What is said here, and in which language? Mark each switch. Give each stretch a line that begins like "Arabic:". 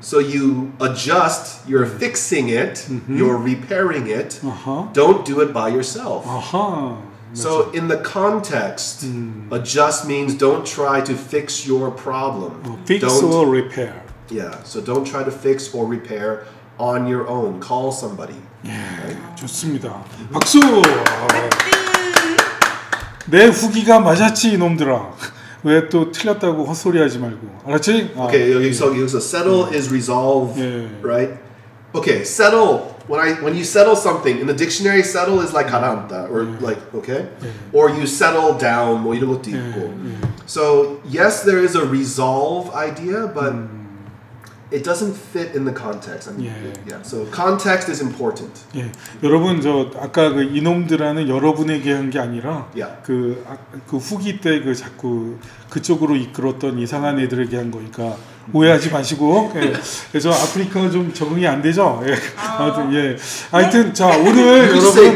English: So you adjust, you're fixing it, you're repairing it. Don't do it by yourself. So in the context, adjust means don't try to fix your problem. Fix or repair. Yeah, so don't try to fix or repair on your own. Call somebody.
Korean: 예, 좋습니다. 박수! 내 후기가 맞았지, 이놈들아. 왜 또 틀렸다고 헛소리 하지 말고. 알았지? 오케이, 여기서
English: settle is resolve,
Korean: 예.
English: right? Okay, settle. When you settle something, in the dictionary, settle is like
Korean: 가라앉다,
English: or
Korean: 예.
English: like, okay?
Korean: 예.
English: Or you settle down,
Korean: 뭐 이런 것도 있고. 예. 예.
English: So, yes, there is a resolve idea, but it doesn't fit in the context. I mean, yeah. yeah. So context is important.
Korean: 예. 여러분 저 아까 그 이놈들하는 여러분에게 한 게 아니라
English: yeah.
Korean: 그 후기 때 그 자꾸 그쪽으로 이끌었던 이상한 애들에게 한 거니까 오해하지 마시고. 예. 그래서 아프리카가 좀 적응이 안 되죠. 예. 아무튼 예. 하여튼 자, 오늘 여러분